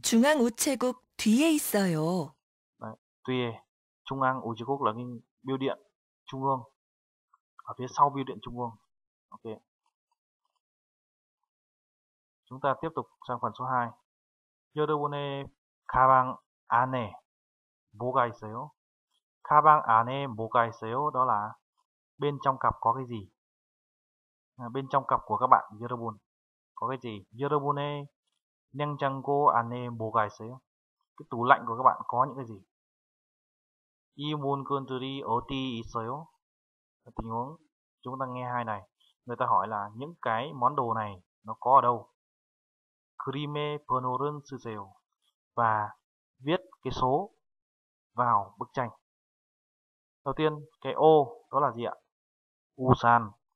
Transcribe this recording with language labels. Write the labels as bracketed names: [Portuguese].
[Korean] 중앙우체국 뒤에 있어요. [Vietnamese] Đấy, tuy trung ương ủy quốc là cái bưu điện trung ương ở phía sau bưu điện trung ương. Ok, chúng ta tiếp tục sang phần số 2. [Korean] 여러분의 가방 안에 뭐가 있어요? 가방 안에 뭐가 있어요? [Vietnamese] Đó là bên trong cặp có cái gì? Bên trong cặp của các bạn 여러분 có cái gì? [Korean] 여러분의 냉장고 안에 뭐가 있어요? [Vietnamese] Cái tủ lạnh của các bạn có những cái gì? [Korean] 이 물건들이 어디 있어요? [Vietnamese] Tình huống chúng ta nghe hai này. Người ta hỏi là những cái món đồ này nó có ở đâu? [Korean] 그림의 번호를 쓰세요. [Vietnamese] Và viết cái số vào bức tranh. Đầu tiên, cái ô đó là gì ạ? Usan.